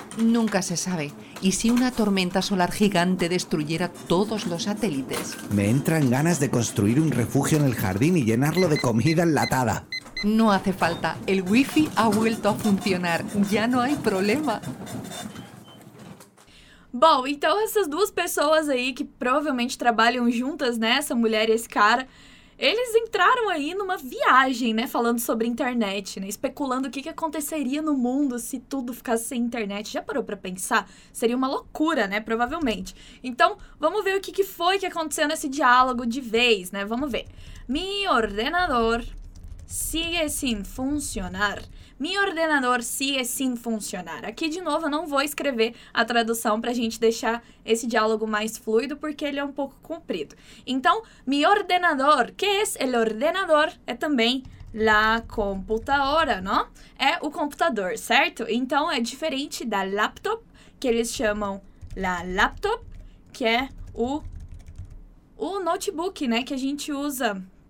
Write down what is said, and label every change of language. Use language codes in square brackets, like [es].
[es] Nunca se sabe. ¿Y si una tormenta solar gigante destruyera todos los satélites? Me entran ganas de construir un refugio en el jardín y llenarlo de comida enlatada. No hace falta, el wifi ha vuelto a funcionar, ya no hay problema. [pt] Bom, então essas duas pessoas aí que provavelmente trabalham juntas, né, essa mulher e esse cara, eles entraram aí numa viagem, né, falando sobre internet, né, especulando o que que aconteceria no mundo se tudo ficasse sem internet. Já parou para pensar? Seria uma loucura, né, provavelmente. Então, vamos ver o que que foi que aconteceu nesse diálogo de vez, né? Vamos ver. [es] Mi ordenador sigue sin funcionar. Mi ordenador sigue sin funcionar. [pt] Aqui, de novo, eu não vou escrever a tradução para a gente deixar esse diálogo mais fluido, porque ele é um pouco comprido. [es] Então, mi ordenador, que es el ordenador? [pt] É também la computadora, não? É o computador, certo? Então, é diferente da laptop, que eles chamam la laptop, que é o notebook, né, que a gente usa.